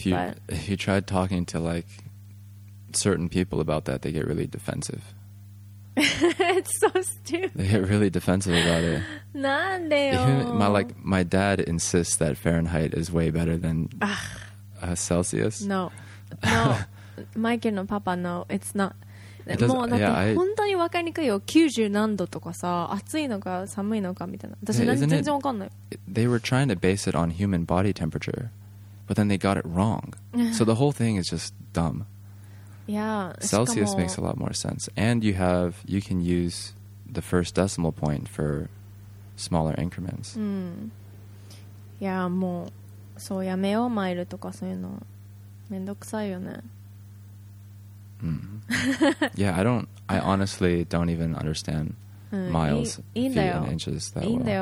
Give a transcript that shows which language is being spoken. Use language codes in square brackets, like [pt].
[en] If you tried talking to like certain people about that, they get really defensive. It's so stupid. They get really defensive about it. [ja] なんでよ? [en] My dad insists that Fahrenheit is way better than Celsius. No. No. [ja] マイケルのパパの [en] it's not. [ja] もうだって本当に分かりにくいよ。 90何度とかさ、暑いのか寒いのかみたいな。私何全然わかんない。 [en] They were trying to base it on human body temperature, but then they got it wrong. So the whole thing is just dumb. Yeah, Celsius makes a lot more sense. And you can use the first decimal point for smaller increments. [ja] Yeah, もうそうやめよう、マイルとかそういうのめんどくさいよね。 [en] Yeah, I honestly don't even understand miles, feet, and inches that well.